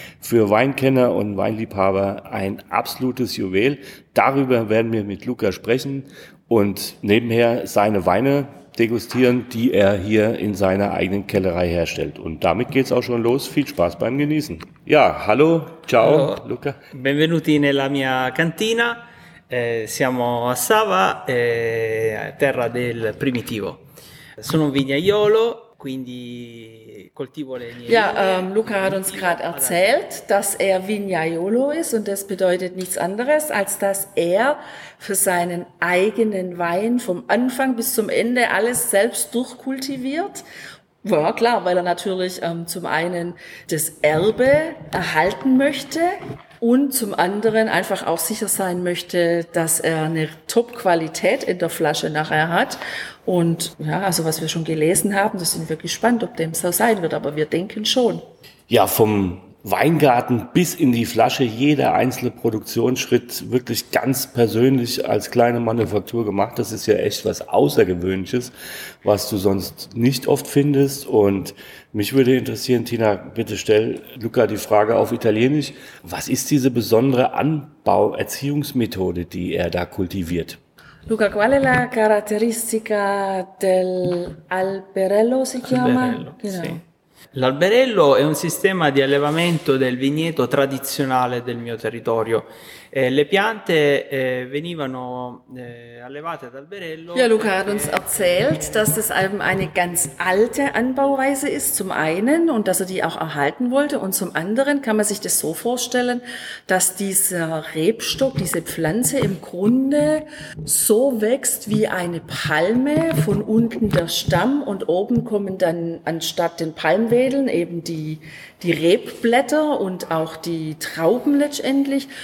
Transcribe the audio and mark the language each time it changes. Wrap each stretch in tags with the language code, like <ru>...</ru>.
<de>Für Weinkenner und Weinliebhaber ein absolutes Juwel. Darüber werden wir mit Luca sprechen und nebenher seine Weine degustieren, die er hier in seiner eigenen Kellerei herstellt. Und damit geht's auch schon los. Viel Spaß beim Genießen. Ja, hallo, ciao, hallo. Luca.</de> <it>Benvenuti nella mia cantina. Siamo a Sava, terra del Primitivo. Sono un vignaiolo, quindi coltivo le mie.</it> <de>Ja, Luca hat uns gerade erzählt, dass er Vignaiolo ist und das bedeutet nichts anderes, als dass er für seinen eigenen Wein vom Anfang bis zum Ende alles selbst durchkultiviert. Ja, klar, weil er natürlich zum einen das Erbe erhalten möchte und zum anderen einfach auch sicher sein möchte, dass er eine Top-Qualität in der Flasche nachher hat. Und ja, also was wir schon gelesen haben, das sind wir gespannt, ob dem so sein wird, aber wir denken schon. Ja, vom Weingarten bis in die Flasche, jeder einzelne Produktionsschritt wirklich ganz persönlich als kleine Manufaktur gemacht. Das ist ja echt was Außergewöhnliches, was du sonst nicht oft findest. Und mich würde interessieren, Tina, bitte stell Luca die Frage auf Italienisch. Was ist diese besondere Anbauerziehungsmethode, die er da kultiviert?</de> <it>Luca, qual è la caratteristica dell'alberello, si chiama? Alberello, sì. L'alberello è un sistema di allevamento del vigneto tradizionale del mio territorio. Le piante venivano allevate ad alberello.</it> <de>Ja, Luca hat uns erzählt, dass das eben eine ganz alte Anbauweise ist, zum einen, und dass er die auch erhalten wollte. Und zum anderen kann man sich das so vorstellen, dass dieser Rebstock, diese Pflanze im Grunde so wächst wie eine Palme, von unten der Stamm und oben kommen dann anstatt den Palmwedeln eben die Rebblätter und auch die Trauben letztendlich.</de>